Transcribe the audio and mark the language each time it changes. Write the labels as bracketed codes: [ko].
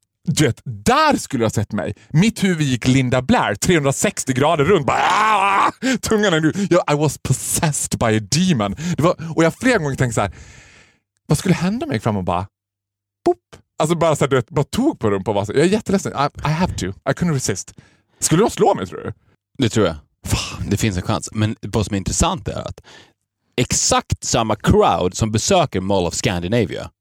[sv] Du vet, där skulle jag sett mig. Mitt huvud gick Linda Blair 360 grader runt. Tungan är nu. [en] I was possessed by a demon. [sv] Det var, och jag flera gånger tänkte så här. Vad skulle hända mig fram och bara... Boop. Alltså bara så här, du vet, bara tog på rumpa. Bara, jag är jätteledsen. [en] I have to. I couldn't resist. [sv] Skulle de slå mig, tror du? Det tror jag. Fan, det finns en chans. Men vad som är intressant är att exakt samma crowd som besöker Mall of Scandinavia.